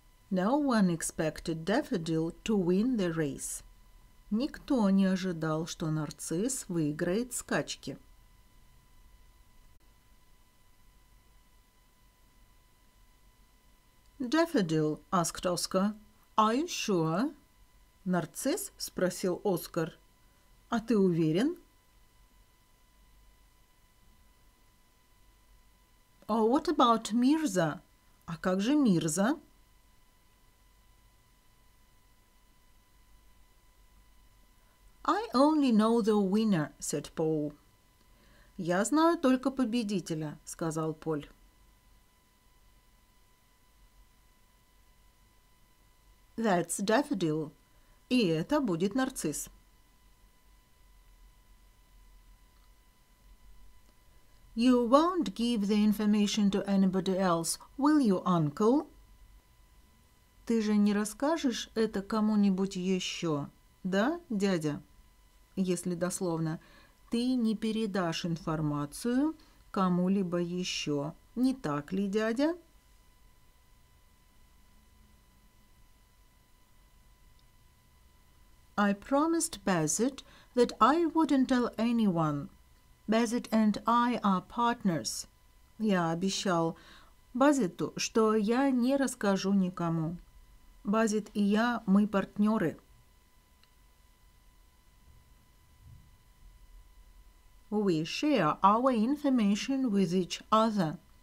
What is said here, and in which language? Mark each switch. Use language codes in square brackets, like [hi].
[en] No one expected Daffodil to win the race. [ru] Никто не ожидал, что нарцисс выиграет скачки. [en] Daffodil asked Oscar, are you sure? [ru] Нарцисс спросил Оскар, а ты уверен? [en] Oh, what about Мирза? [ru] А как же Мирза? [en] I only know the winner, said Paul. [ru] Я знаю только победителя, сказал Поль. [en] That's Daffodil. [ru] И это будет нарцисс. [en] You won't give the information to anybody else, will you, uncle? [ru] Ты же не расскажешь это кому-нибудь еще, да, дядя? Если дословно, ты не передашь информацию кому-либо еще, не так ли, дядя? [en] I promised Bassett that I wouldn't tell anyone. Bassett and I are partners. [ru] Я обещал Бассету, что я не расскажу никому. Бассет и я, мы партнеры. [en] We share our information with each other.